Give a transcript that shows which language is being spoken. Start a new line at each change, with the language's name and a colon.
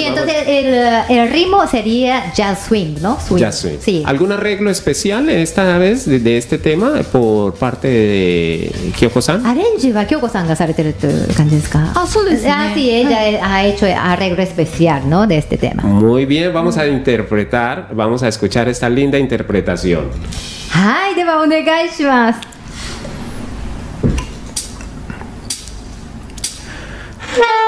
Spanish: Y entonces el ritmo sería jazz swing, ¿no? Swing. Jazz swing. Sí. ¿Algún arreglo especial esta vez de este tema por parte de Kyoko-san?
Japanese: Arrange は Kyoko-san がされてるという感じですか? Ah, そうですね。
Spanish: Ah, sí, ella ha hecho arreglo especial, ¿no? De este tema. Muy bien, vamos a interpretar, vamos a escuchar esta linda interpretación.
Japanese: はい、ではお願いします。